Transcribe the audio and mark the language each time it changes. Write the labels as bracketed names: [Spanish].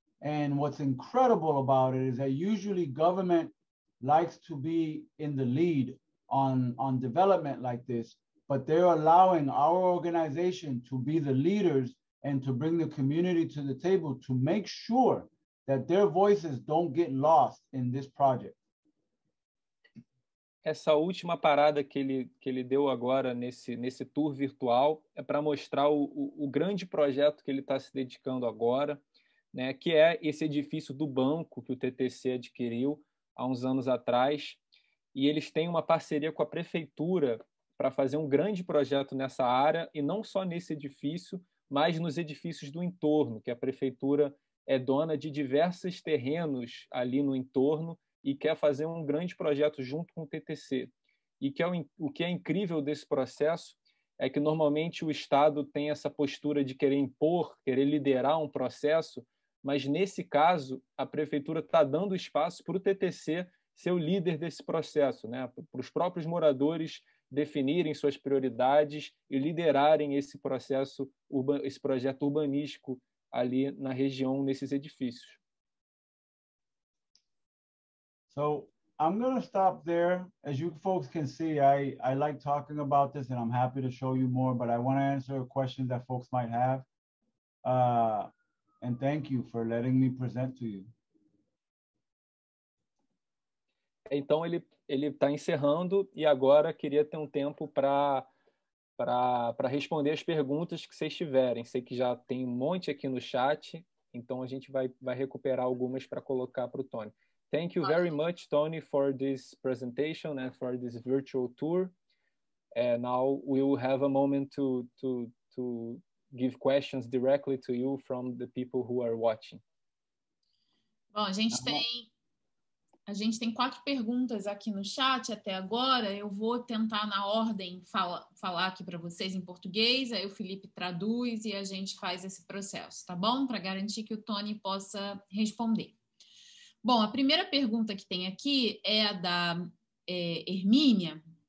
[English] And what's incredible about it is that usually government likes to be in the lead on development like this, but they're allowing our organization to be the leaders and to bring the community to the table to make sure that their voices don't get lost in this project. [Portuguese] Essa última parada que ele deu agora nesse tour virtual é para mostrar o grande projeto que ele está se dedicando agora, né, que é esse edifício do banco que o TTC adquiriu há uns anos atrás. E eles têm uma parceria com a prefeitura para fazer um grande projeto nessa área, e não só nesse edifício, mas nos edifícios do entorno, que a prefeitura é dona de diversos terrenos ali no entorno e quer fazer um grande projeto junto com o TTC. E que o que é incrível desse processo é que normalmente o Estado tem essa postura de querer impor, querer liderar um processo, mas nesse caso a prefeitura está dando espaço para o TTC ser o líder desse processo, né? Para os próprios moradores definirem suas prioridades e liderarem esse processo, esse projeto urbanístico ali na região, nesses edifícios. [English] So I'm going to stop there. As you folks can see, I like talking about this and I'm happy to show you more, but I want to answer a question that folks might have. And thank you for letting me present to you. [Portuguese] Então ele está encerrando e agora queria ter um tempo para responder as perguntas que vocês tiverem. Sei que já tem um monte aqui no chat, então a gente vai recuperar algumas para colocar para o Tony. [English] Thank you very much, Tony, for this presentation and for this virtual tour. Now we will have a moment to give questions directly to you from the people who are watching. [Portuguese] Bom, a gente tem quatro perguntas aqui no chat até agora. Eu vou tentar na ordem falar aqui para vocês em português, aí o Felipe traduz e a gente faz esse processo, tá bom? Para garantir que o Tony possa responder. Bom, a primeira pergunta que tem aqui é a da Hermínia.